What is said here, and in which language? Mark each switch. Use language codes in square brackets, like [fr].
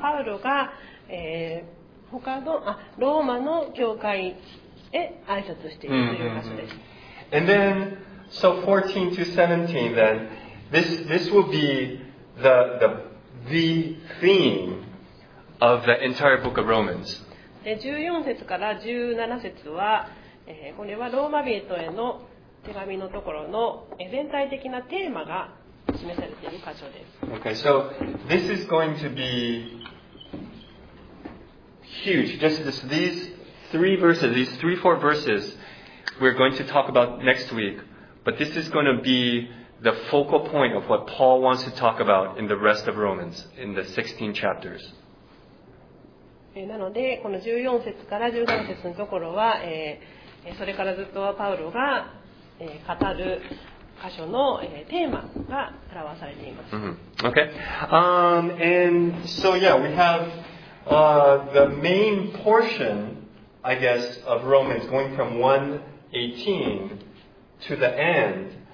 [ja] パウロが、他のあローマの教会へ挨拶しているという場所です。 [en] Mm-hmm. And then, so 14 to 17, then this will be the theme of the entire book of Romans. [ja] で14節から17節は、これはローマ人への手紙のところの全体的なテーマが示されている箇所です。 [en] Okay, so this is going to be huge. Just this, these three verses, these three, four verses we're going to talk about next week. But this is going to be the focal point of what Paul wants to talk about in the rest of Romans, in the 16 chapters. [ja] なので、この14節から17節のところは、それからずっとはパウロが語る箇所のテーマが表されています。 [en] Mm-hmm. Okay. And so yeah, we have the main portion, I guess, of Romans going from 1:18 to the end.